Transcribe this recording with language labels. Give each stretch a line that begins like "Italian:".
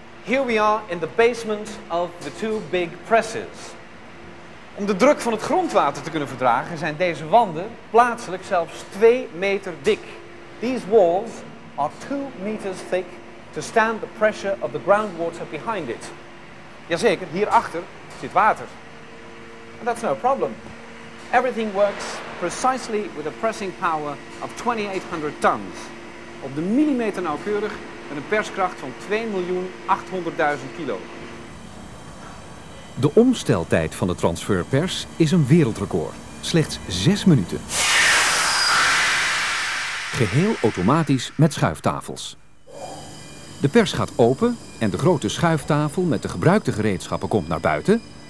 English: Here we are in the basement of the two big presses.
Dutch: Om de druk van het grondwater te kunnen verdragen zijn deze wanden plaatselijk zelfs 2 meter dik.
English: These walls are 2 meters thick to stand the pressure of the groundwater behind it.
Dutch: Jazeker, hierachter zit water.
English: And that's no problem. Everything works precisely with a pressing power of 2800 tons.
Dutch: Op de millimeter nauwkeurig met een perskracht van 2.800.000 kilo. De omsteltijd van de transferpers is een wereldrecord. Slechts 6 minuten. Geheel automatisch met schuiftafels. De pers gaat open en de grote schuiftafel met de gebruikte gereedschappen komt naar buiten.